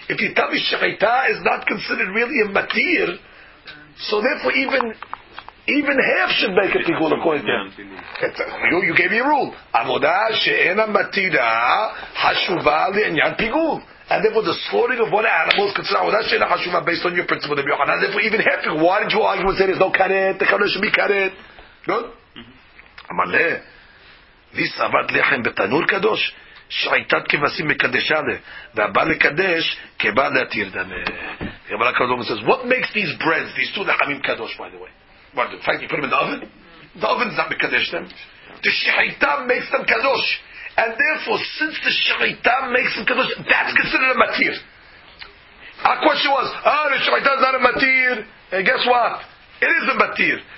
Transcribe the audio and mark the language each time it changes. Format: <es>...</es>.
<en>If you tell me shechita is not considered really a matir, so therefore even half should make a pigul according to him. You gave me a rule.</en> <he>Avodah she'ena matira hashuva li'anyan pigul.</he> <en>And therefore the slaughtering of one animal is considered avodah she'ena hashuva based on your principle of Yohanan. And therefore even half, why did you argue and say there's no karet, the karet should be karet? Good?</en> <he>Amale, v'savad lechem betanur kadosh, שחיטת כבשים מקדשה לה, והבא לקדש, כבא להתיר דמה.</he> <en>אבל הקדום says, what makes these breads, these two לחמים קדוש, by the way? What, the fact you put them in the oven? The oven is not מקדש them. The שחיטה makes them קדוש. And therefore, since the שחיטה makes them קדוש, that's considered a matir. Our question was, the שחיטה is not a matir. And guess what? It is a matir.</en>